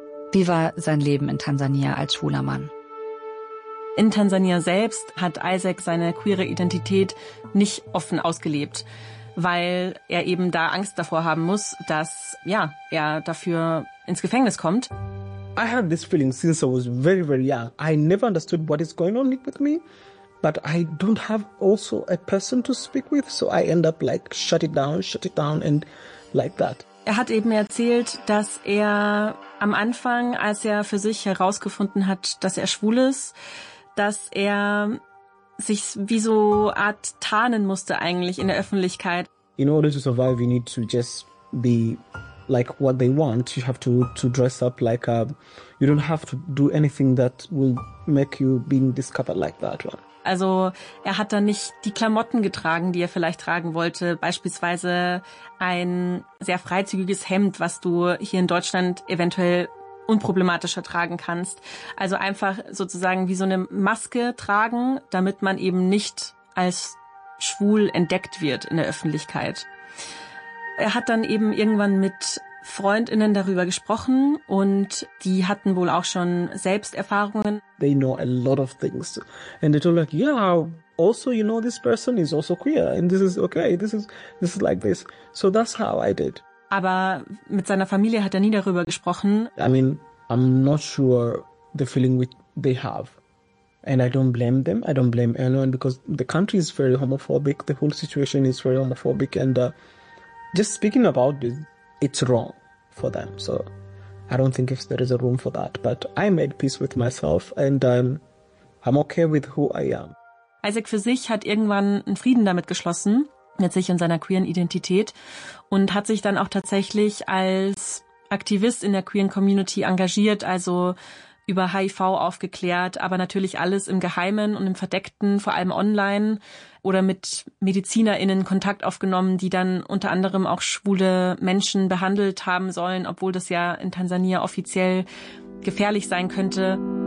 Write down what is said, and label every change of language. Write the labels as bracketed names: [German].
[German] Wie war sein Leben in Tansania als schwuler Mann? In Tansania selbst hat Isaac seine queere Identität nicht offen ausgelebt, weil er eben da Angst davor haben muss, dass er dafür ins Gefängnis kommt. [English] I had this feeling since I was very, very young. I never understood what is going on with me, but I don't have also a person to speak with, so I end up like shut it down and like that. [German] Er hat eben erzählt, dass er am Anfang, als er für sich herausgefunden hat, dass er schwul ist, dass er sich wie so Art tarnen musste eigentlich in der Öffentlichkeit. [English] In order to survive, you need to just be like what they want. You have to dress up like a, you don't have to do anything that will make you being discovered like that one. [German] Also er hat dann nicht die Klamotten getragen, die er vielleicht tragen wollte. Beispielsweise ein sehr freizügiges Hemd, was du hier in Deutschland eventuell unproblematischer tragen kannst. Also einfach sozusagen wie so eine Maske tragen, damit man eben nicht als schwul entdeckt wird in der Öffentlichkeit. Er hat dann eben irgendwann mit Freundinnen darüber gesprochen und die hatten wohl auch schon Selbsterfahrungen. [English] They know a lot of things and they told like, yeah, also you know this person is also queer and this is okay, this is like this. So that's how I did. [German] Aber mit seiner Familie hat er nie darüber gesprochen. [English] I mean, I'm not sure the feeling which they have. And I don't blame them. I don't blame anyone because the country is very homophobic. The whole situation is very homophobic. And just speaking about this, it's wrong for them. So I don't think if there is a room for that. But I made peace with myself and I'm okay with who I am. [German] Isaac für sich hat irgendwann einen Frieden damit geschlossen, mit sich und seiner queeren Identität und hat sich dann auch tatsächlich als Aktivist in der queeren Community engagiert, also über HIV aufgeklärt, aber natürlich alles im Geheimen und im Verdeckten, vor allem online oder mit MedizinerInnen Kontakt aufgenommen, die dann unter anderem auch schwule Menschen behandelt haben sollen, obwohl das ja in Tansania offiziell gefährlich sein könnte.